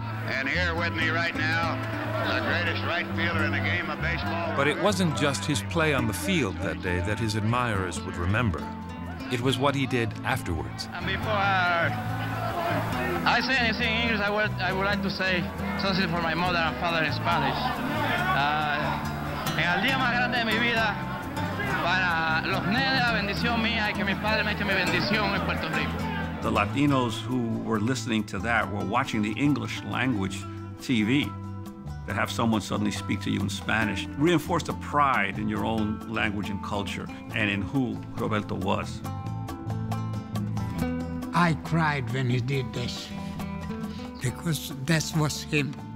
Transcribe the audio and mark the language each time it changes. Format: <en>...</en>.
<en>And here with me right now, the greatest right fielder in the game of baseball. But it wasn't just his play on the field that day that his admirers would remember. It was what he did afterwards. Before I say anything in English, I would like to say something for my mother and father in Spanish.</en> <es>En el día más grande de mi vida, para los nenes la bendición mía y que mi padre me eche mi bendición en Puerto Rico.</es> <en>The Latinos who were listening to that were watching the English language TV. To have someone suddenly speak to you in Spanish reinforced a pride in your own language and culture and in who Roberto was. I cried when he did this because this was him.</en>